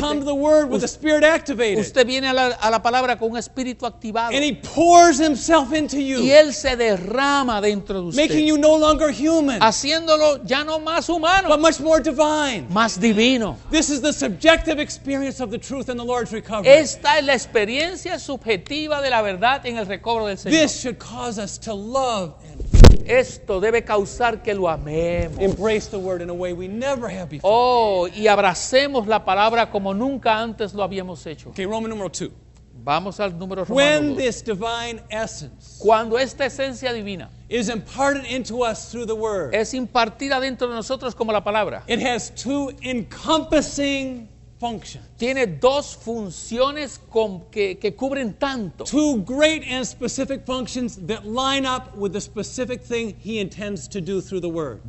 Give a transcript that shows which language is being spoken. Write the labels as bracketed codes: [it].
[en] You come to the word with the spirit activated. [es] Usted viene a la palabra con un espíritu activado. [en] And he pours himself into you. [es] Y él se derrama dentro de usted. [en] Making you no longer human. [es] Haciéndolo ya no más humano. [en] But much more divine. [es] Más divino. [en] This is the subjective experience of the truth in the Lord's recovery. [es] Esta es la experiencia subjetiva de la verdad en el recobro del Señor. [en] This should cause us to love him. [es] Esto debe causar que lo amemos. [en] Embrace the word in a way we never have before. [es] Oh, y abracemos la palabra como nunca antes lo habíamos hecho. [en] Okay, Roman number 2. [es] Vamos al número Romano 2. [en] When this divine essence, [es] cuando esta esencia divina, [en] is imparted into us through the word, [es] es impartida dentro de nosotros como la palabra, [en] it has two encompassing functions, [es] tiene dos funciones que cubren tanto, [en] two great and specific functions that line up with the specific thing he intends to do through the word,